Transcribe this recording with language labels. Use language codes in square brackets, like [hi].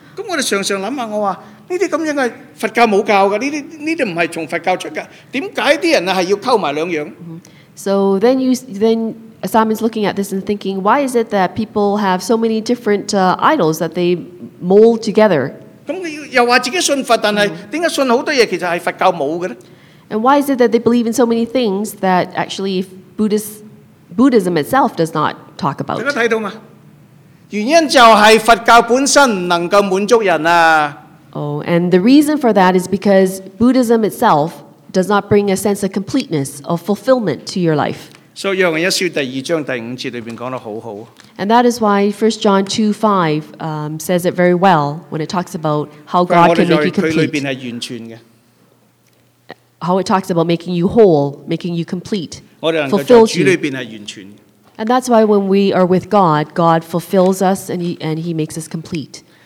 [yue] 咁我哋常常谂下，我话呢啲咁样嘅佛教冇教噶，呢啲唔系从佛教出噶，点解啲人啊系要沟埋两样 [en] ？So then Simon's looking at this and thinking, why is it that people have so many different idols that they mold together? [yue] 咁佢又话自己信佛，但系点解信好多嘢其实系佛教冇嘅咧？ [en] And why is it that they believe in so many things that actually Buddhism itself does not talk about? [yue] 大家睇到嘛？原因就係佛教本身唔能夠滿足人啊。 [en] Oh, and the reason for that is because Buddhism itself does not bring a sense of completeness or fulfillment to your life. [yue] So, 約翰一書第二章第五節裏邊講得好好。 [en] And that is why 1 John 2:5 says it very well when it talks about how God can make you complete. [yue] 佢裏邊係完全嘅。 [en] How it talks about making you whole, making you complete, fulfills you. And that's why when we are with God, God fulfills us and he makes us complete.